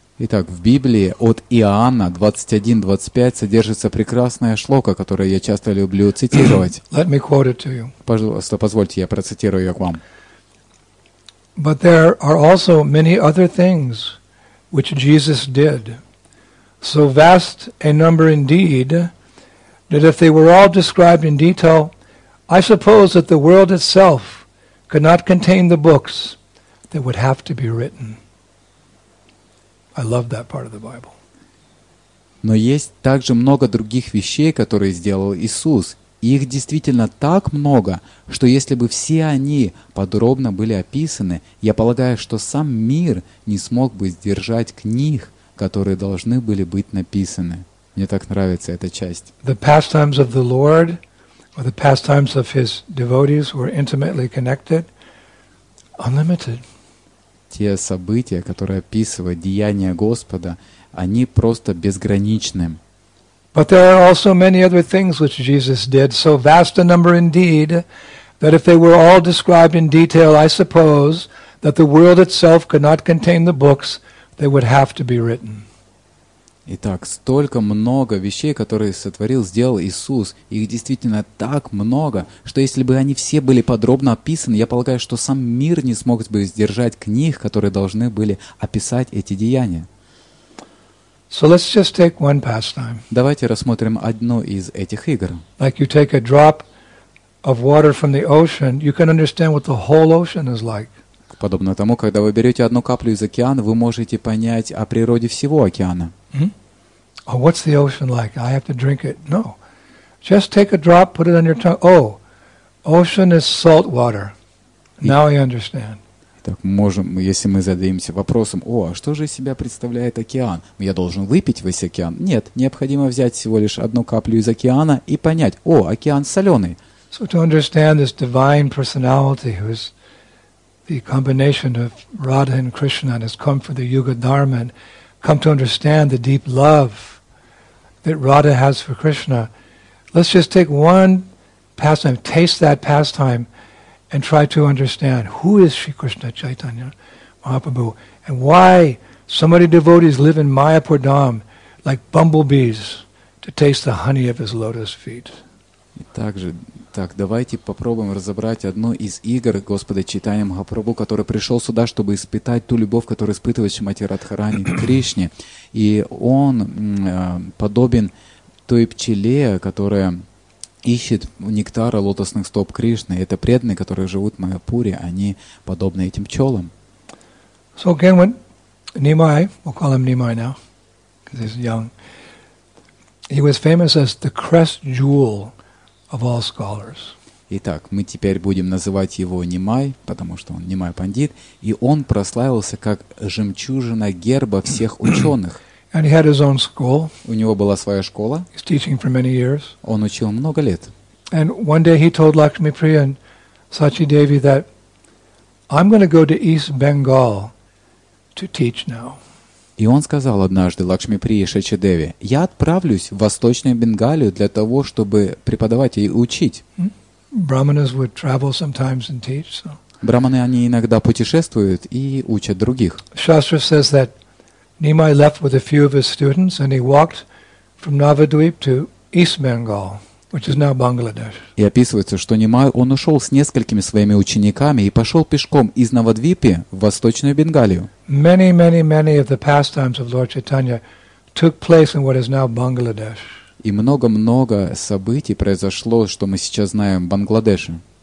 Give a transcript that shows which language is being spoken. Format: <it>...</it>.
<ru>Итак, в Библии от Иоанна 21:25 содержится прекрасная шлока, которую я часто люблю цитировать.</ru> <en>Let me quote it to you.</en> <ru>Пожалуйста, позвольте, я процитирую ее к вам.</ru> <en>But there are also many other things which Jesus did, so vast a number indeed, that if they were all described in detail, I suppose that the world itself could not contain the books that would have to be written. I love that part of the Bible.</en> <ru>Но есть также много других вещей, которые сделал Иисус. Их действительно так много, что если бы все они подробно были описаны, я полагаю, что сам мир не смог бы сдержать книг, которые должны были быть написаны. Мне так нравится эта часть.</ru> <en>The pastimes of the Lord, or the pastimes of his devotees were intimately connected, unlimited.</en> <ru>Те события, которые описывают деяния Господа, они просто безграничны.</ru> <en>But there are also many other things which Jesus did, so vast a number indeed, that if they were all described in detail, I suppose that the world itself could not contain the books that would have to be written.</en> <ru>Итак, столько много вещей, которые сотворил, сделал Иисус, их действительно так много, что если бы они все были подробно описаны, я полагаю, что сам мир не смог бы сдержать книг, которые должны были описать эти деяния.</ru> <en>So let's just take one pastime.</en> <ru>Давайте рассмотрим одну из этих игр.</ru> <en>Like you take a drop of water from the ocean, you can understand what the whole ocean is like.</en> <ru>Подобно тому, когда вы берете одну каплю из океана, вы можете понять о природе всего океана.</ru> <en>Oh, what's the ocean like? I have to drink it. No. Just take a drop, put it on your tongue. Oh, ocean is salt water. Now I understand.</en> <ru>Так можем, если мы задаемся вопросом, о, а что же из себя представляет океан? Я должен выпить весь океан? Нет, необходимо взять всего лишь одну каплю из океана и понять, о, океан соленый.</ru> <en>So to understand this divine personality, who is the combination of Radha and Krishna, and has come for the Yuga Dharma, and come to understand the deep love that Radha has for Krishna, let's just take one pastime, taste that pastime, and try to understand who is Sri Krishna Chaitanya Mahaprabhu and why so many devotees live in Mayapur Dham like bumblebees to taste the honey of his lotus feet.</en> <ru>И также, так, давайте попробуем разобрать одну из игр Господа Чайтанья Махапрабху, который пришел сюда, чтобы испытать ту любовь, которую испытывает Шримати Радхарани Кришне. И он подобен той пчеле, которая ищет нектара лотосных стоп Кришны. Это преданные, которые живут в Майяпуре, они подобны этим пчелам.</ru> <en>So again, when Nimai, we'll call him Nimai now, because he's young, he was famous as the crest jewel of all scholars.</en> <ru>Итак, мы теперь будем называть его Нимай, потому что он Нимай Пандит, и он прославился как жемчужина герба всех ученых.</ru> <en>And he had his own school.</en> <ru>У него была своя школа.</ru> <en>He's teaching for many years.</en> <ru>Он учил много лет.</ru> <en>And one day he told Lakshmi Priya and Sachi Devi that I'm going to go to East Bengal to teach now.</en> <ru>И он сказал однажды Лакшми Прие Шачи Деви: «Я отправлюсь в Восточную Бенгалию для того, чтобы преподавать и учить». Браманы, они иногда путешествуют и учат других.</ru> <en>Shastra says that Nimai left with a few of his students and he walked from Navadvip to East Bengal, which is now Bangladesh.</en> <ru>И описывается, что Нимай, он ушел с несколькими своими учениками и пошел пешком из Навадвипи в Восточную Бенгалию.</ru> <en>Many, many, many of the pastimes of Lord Chaitanya took place in what is now Bangladesh.</en> <ru>И много-много событий произошло, что мы сейчас знаем, в Бангладеше.</ru>